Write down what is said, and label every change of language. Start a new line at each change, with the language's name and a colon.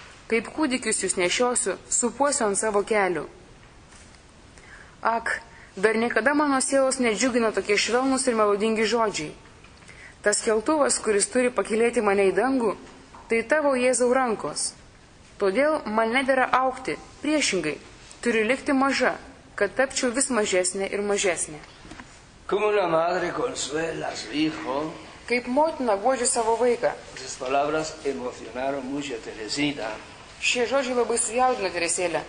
Lithuanian: Kaip kūdikius jūs nešiosiu, supuosiu ant savo kelių. Ak, dar niekada mano sielos nedžiugino tokie švelnus ir melodingi žodžiai. Tas keltuvas, kuris turi pakylėti mane į dangų, tai tavo Jėzau rankos. Todėl man nedėra aukti, priešingai, turi likti maža, kad tapčiau vis mažesnė ir mažesnė.
Spanish: Como la madre consuela su hijo,
Lithuanian: kaip motina guodžia savo vaiką.
Spanish: Šis palabras emocionaron mucho a Teresita.
Lithuanian: Šie žodžiai labai sujaudino Teresėlę.